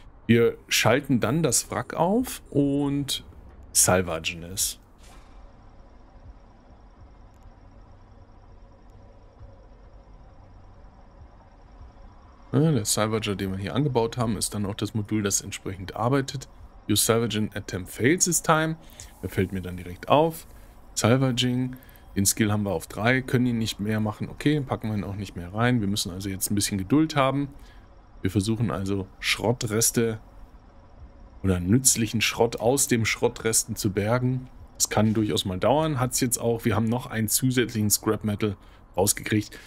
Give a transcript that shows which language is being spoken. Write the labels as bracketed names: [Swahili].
[German] Wir schalten dann das Wrack auf und salvagen es. Der Salvager, den wir hier angebaut haben, ist dann auch das Modul, das entsprechend arbeitet. [English] Your salvaging attempt fails this time. [German] Der fällt mir dann direkt auf. Salvaging. Den Skill haben wir auf 3, können ihn nicht mehr machen. Okay, packen wir ihn auch nicht mehr rein. Wir müssen also jetzt ein bisschen Geduld haben. Wir versuchen also Schrottreste oder nützlichen Schrott aus dem Schrottresten zu bergen. Das kann durchaus mal dauern. Hat es jetzt auch. Wir haben noch einen zusätzlichen Scrap Metal rausgekriegt.